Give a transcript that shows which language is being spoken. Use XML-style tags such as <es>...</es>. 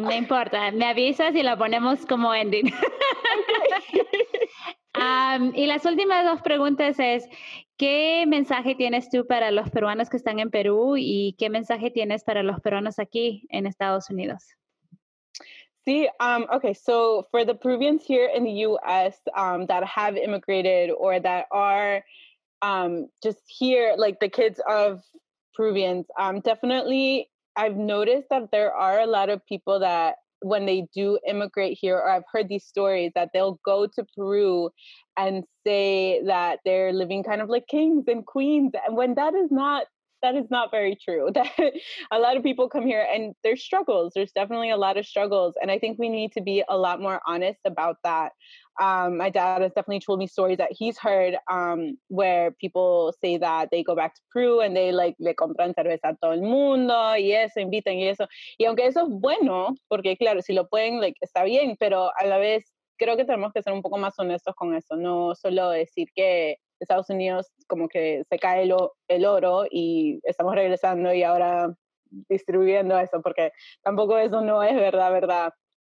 <es>No importa, me avisas y la ponemos como ending. Y las últimas dos preguntas es, ¿qué mensaje tienes tú para los peruanos que están en Perú y qué mensaje tienes para los peruanos aquí en Estados Unidos?</es> <en>Sí, okay, so for the Peruvians here in the U.S. That have immigrated or that are just here, like the kids of Peruvians, definitely I've noticed that there are a lot of people that when they do immigrate here, or I've heard these stories, that they'll go to Peru and say that they're living kind of like kings and queens, and when that is not very true. A lot of people come here and there's struggles. There's definitely a lot of struggles. And I think we need to be a lot more honest about that. My dad has definitely told me stories that he's heard where people say that they go back to Peru and they like,</en> <es>le compran cerveza a todo el mundo y eso,</es> <en>invitan y eso.</en> <es>Y aunque eso es bueno, porque claro, si lo pueden, like, está bien, pero a la vez creo que tenemos que ser un poco más honestos con eso. No solo decir que Estados Unidos como que se cae el oro y estamos regresando y ahora distribuyendo eso, porque tampoco eso no es verdad.</es>